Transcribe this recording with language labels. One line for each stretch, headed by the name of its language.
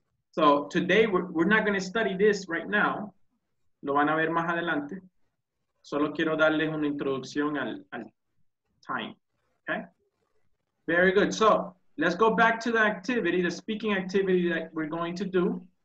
English: So, today we're not going to study this right now.
Spanish: Lo van a ver más adelante. Solo quiero darles una introducción al time, okay?
English: Very good. So, let's go back to the activity, the speaking activity that we're going to do.